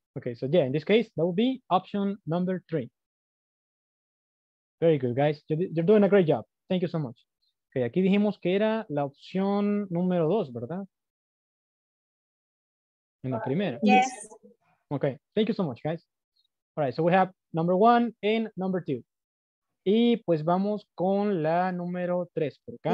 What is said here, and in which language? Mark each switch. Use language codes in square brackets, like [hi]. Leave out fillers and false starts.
[en] Okay, so yeah, in this case, that would be option number 3. Very good, guys. You're doing a great job. Thank you so much. [es] Okay, aquí dijimos que era la opción número 2, ¿verdad? En la primera. [en] Yes. Okay, thank you so much, guys. All right, so we have number 1 and number 2. [es] Y pues vamos con la número 3 por acá.